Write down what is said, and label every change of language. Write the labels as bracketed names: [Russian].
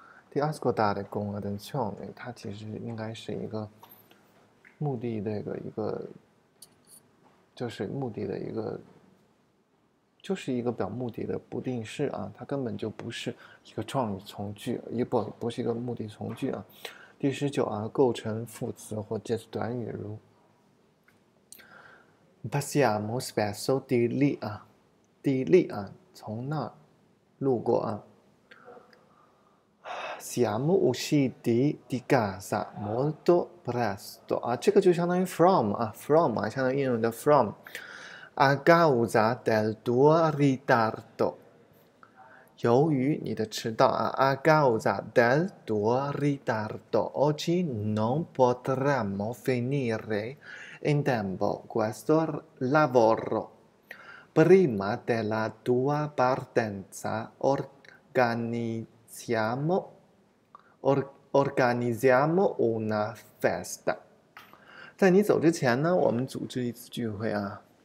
[Italian] di ascoltare con attenzione， [Chinese] 它其实应该是一个目的的一个，就是目的的一个，就是一个表目的的不定式啊，它根本就不是一个状语从句，不是一个目的从句啊。第十九啊，构成副词或介词短语，如 [Italian] passiamo spesso di lì [Chinese] 啊，从那儿路过啊。 [Italian] siamo usciti di casa molto presto [Chinese] 啊，这个就相当于 from 啊，相当于英文的 from。 [Italian] a causa del tuo ritardo， [Chinese] 由于你的迟到 [Italian] 啊，a causa del tuo ritardo oggi non potremo finire in tempo questo lavoro. Prima della tua partenza organizziamo una festa。 [Chinese] 在你走之前呢，我们组织一次聚会啊。